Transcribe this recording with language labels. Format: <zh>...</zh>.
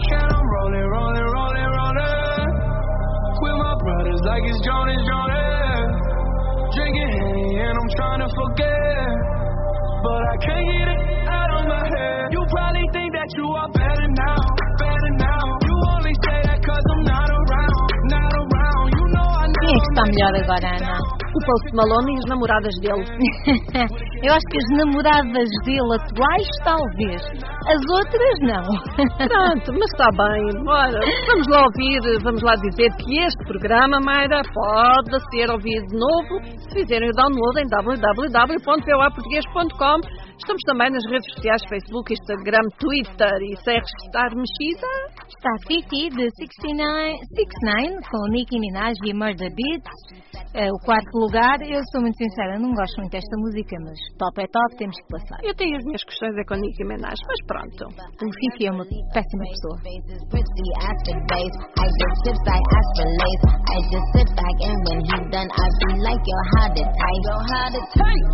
<en>And I'm rolling, rolling, rolling, rolling with my brothers like it's Johnny, Johnny. Drinking Henny and I'm trying to forget. But I can't get it out of my head. You probably think that you are better now, better now. You only say that 'cause I'm not around, not around. You know I know.</en> <pt>Quem é que está melhor agora, Ana? O Post Malone e as namoradas dele. Eu acho que as namoradas dele atuais, talvez. As outras, não. Pronto, mas está bem. Ora, vamos lá ouvir, vamos lá dizer que este programa, Mayra, pode ser ouvido de novo se fizerem o download em www.poaportugues.com. Estamos também nas redes sociais Facebook, Instagram, Twitter. E se é registar mexida? Está Fifi de 69 com Nicki Minaj e Murder Beats. É o quarto lugar. Eu sou muito sincera, não gosto muito desta música, mas top é top, temos que passar. Eu tenho as minhas questões com Nicki Minaj, mas pronto. O Fifi é uma péssima pessoa.</pt> <en>I just sit back and when he's done, I feel like you're hot to take.</en>